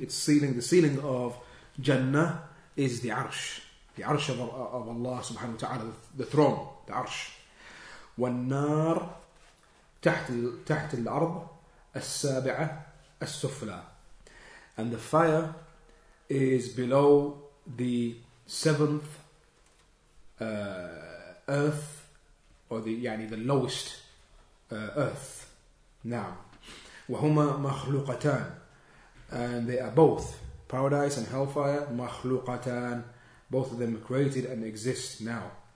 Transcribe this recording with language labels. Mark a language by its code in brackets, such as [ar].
[en] Its ceiling, the ceiling of Jannah is the arsh. The arsh of Allah subhanahu wa ta'ala, the throne, the arsh. [ar] والنار تحت الأرض السابعة السفلى. [en] And the fire is below the seventh earth, or the yani the lowest earth. Now. [ar] وَهُمَا مَخْلُوقَتَانِ [en] And they are both, paradise and hellfire, مَخْلُوقَتَانِ Both of them created and exist now.